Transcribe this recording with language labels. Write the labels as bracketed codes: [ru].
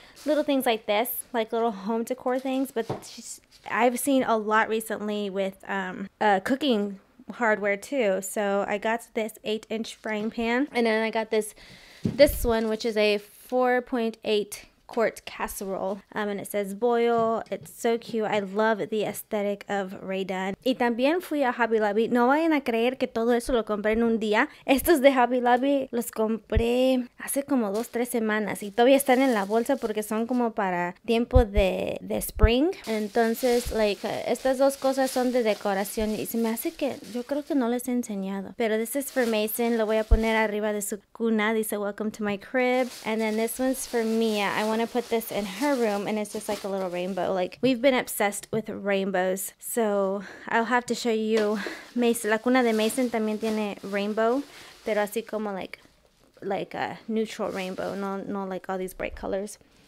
[en] little things like this, like little home decor things, but I've seen a lot recently with cooking hardware too. So I got this 8-inch frying pan, and then I got this one, which is a 4.8 quart casserole, and it says boil. It's so cute. I love the aesthetic of Raydan. [es] Y también fui a Hobby Lobby. No vayan a creer que todo eso lo compré en un día. Estos de Hobby Lobby los compré hace como 2-3 semanas y todavía están en la bolsa porque son como para tiempo de spring. Entonces, like, estas dos cosas son de decoración y se me hace que yo creo que no les he enseñado. Pero [en] this is for Mason. [es] Lo voy a poner arriba de su cuna. [en] Dice, welcome to my crib. And then this one's for Mia. I want to put this in her room, and it's just like a little rainbow. Like, we've been obsessed with rainbows, so I'll have to show you. [es] Mason, la cuna de Mason también tiene rainbow, pero así como [en] like a neutral rainbow, [es] no [en] like all these bright colors.